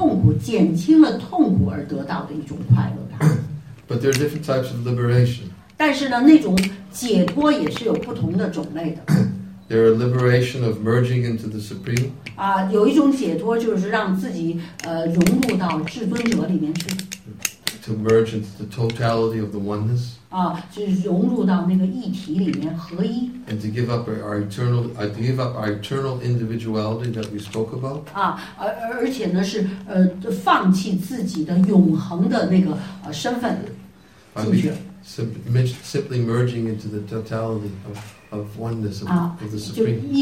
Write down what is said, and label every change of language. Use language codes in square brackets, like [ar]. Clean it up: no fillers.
[zh] 也就是说，是减除了痛苦，减轻了痛苦而得到的一种快乐感。 [en] But there are different types of liberation. [zh] 但是呢，那种解脱也是有不同的种类的。 [en] There are liberation of merging into the supreme. [zh] 有一种解脱就是让自己融入到至尊者里面去。 [en] To merge into the totality of the oneness. [zh] 就是融入到那个一体里面合一。 [en] And to give up our eternal individuality that we spoke about. [zh] 而且呢是放弃自己的永恒的那个身份。 [en] Simply merging into the totality of oneness of the Supreme.